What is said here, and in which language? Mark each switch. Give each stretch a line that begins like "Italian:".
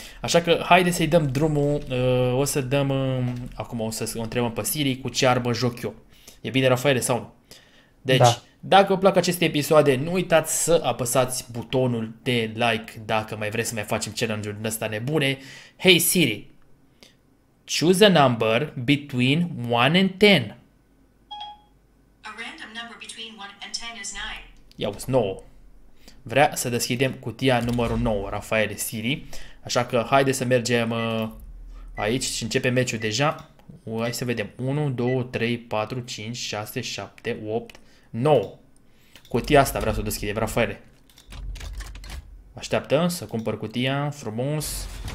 Romanian: Așa că haide să-i dăm drumul. O să dăm acum o să o întrebăm pe Siri cu ce armă joc eu. E bine, Rafaele, sau nu? Deci, da. Dacă vă plac aceste episoade, nu uitați să apăsați butonul de like dacă mai vreți să mai facem challenge-uri din ăsta nebune.
English: Hey Siri, choose a number between 1 and 10. A random number between 1 and 10 is 9.
Romanian: Ia uzi, 9. Vrea să deschidem cutia numărul 9, Rafaele, Siri. Așa că haide să mergem aici și începe meciul deja. Hai să vedem. 1, 2, 3, 4, 5, 6, 7, 8. 9. Cutia asta vreau să o deschidem, Rafaele. Așteaptă să cumpăr cutia, frumos.